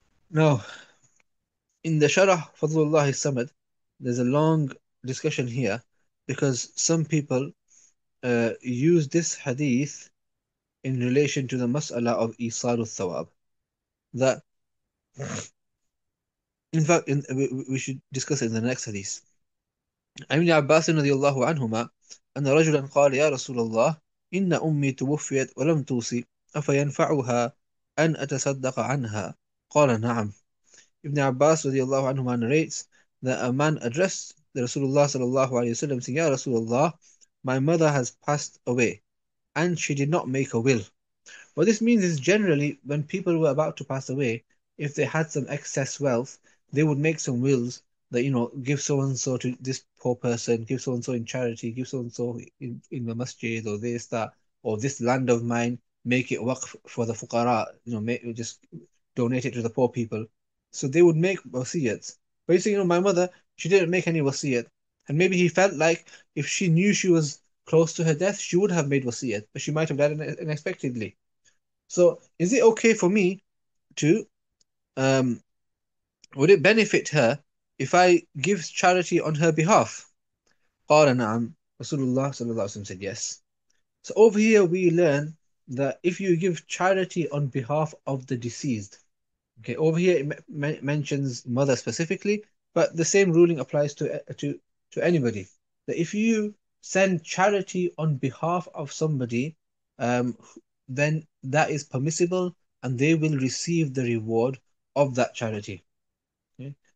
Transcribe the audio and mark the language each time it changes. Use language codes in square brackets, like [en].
[en] Now, in the Sharah Fadlullahi Samad, there's a long discussion here, because some people use this hadith in relation to the mas'ala of Isar al-Thawab. That, in fact, we should discuss it in the next hadith. [ar] عن ابن عباس رضي الله عنهما أن رجلا قال: يا رسول الله، إن أمي توفيت ولم توصي، أفينفعها أن أتصدق عنها؟ قال: نعم. [en] ابن عباس [ar] رضي الله عنهما [en] narrates that a man addressed the Rasulullah sallallahu alayhi wa sallam saying, Ya Rasulullah, my mother has passed away and she did not make a will. What this means is generally when people were about to pass away, if they had some excess wealth, they would make some wills that, you know, give so and so to this poor person, give so and so in charity, give so and so in the masjid or this, that, or this land of mine, make it waqf for the fuqara, you know, make, just donate it to the poor people. So they would make wasiyats. But you see, you know, my mother, she didn't make any wasiyat. And maybe he felt like if she knew she was close to her death, she would have made wasiyat, but she might have died unexpectedly. So is it okay for me to, would it benefit her if I give charity on her behalf? [ar] قال نعم. [en] Rasulullah [ar] صلى الله عليه وسلم [en] said yes. So over here we learn that if you give charity on behalf of the deceased, okay, over here it mentions mother specifically, but the same ruling applies to anybody. That if you send charity on behalf of somebody, then that is permissible and they will receive the reward of that charity. Okay?